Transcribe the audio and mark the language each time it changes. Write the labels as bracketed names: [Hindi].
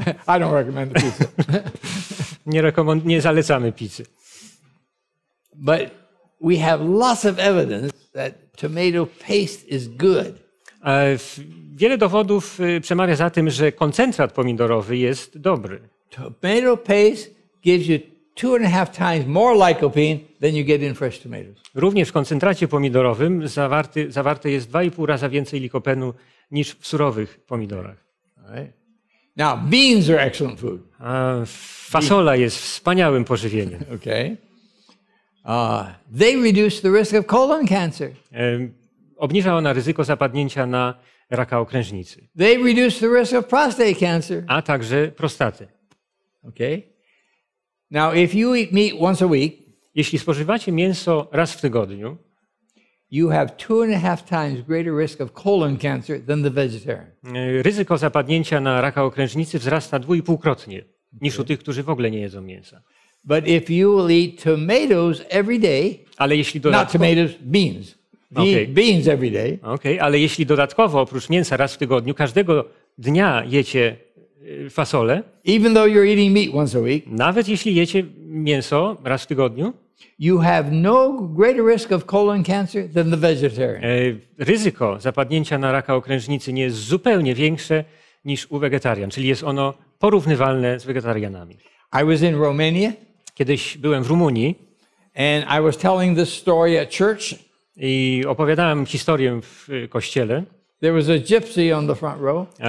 [English] I don't recommend the pizza. [Polish] Nie zalecamy pizzy. [English] But we have lots of evidence that tomato paste is good. [Polish] Wiele dowodów przemawia za tym, że koncentrat pomidorowy jest dobry. [English] Tomato paste gives you 2.5 times more lycopene than you get in fresh tomatoes. [Polish] Również w koncentracie pomidorowym zawarte jest 2,5 razy więcej likopenu niż w surowych pomidorach. [English] Now beans are excellent food. [Polish] Fasola jest wspaniałym pożywieniem. [English] Okay. They reduce the risk of colon cancer. [Polish] Obniża ona ryzyko zapadnięcia na raka okrężnicy. [English] They reduce the risk of prostate cancer. [Polish] A także prostaty. [English] Okay. Now if you eat meat once a week, [Polish] jeśli spożywacie mięso raz w tygodniu, [English] you have 2.5 times greater risk of colon cancer than the vegetarian. [Polish] Ryzyko zapadnięcia na raka okrężnicy wzrasta 2,5-krotnie niż u tych, którzy w ogóle nie jedzą mięsa. [English] But if you will eat tomatoes every day, [Polish] ale jeśli dodatkowo, [English] not tomatoes, beans. Beans every day. [Polish] Okay, ale jeśli dodatkowo oprócz mięsa raz w tygodniu każdego dnia jecie fasolę, [English] even though you're eating meat once a week, [Polish] nawet jeśli jecie mięso raz w tygodniu, [English] you have no greater risk of colon cancer than the vegetarian. [Polish] Ryzyko zapadnięcia na raka okrężnicy nie jest zupełnie większe niż u wegetarian, czyli jest ono porównywalne z wegetarianami. [English] I was in Romania. [Polish] Kiedyś byłem w Rumunii. [English] And I was telling this story at church. [Polish] I opowiadałem historię w kościele. [English] There was a gypsy on the front row.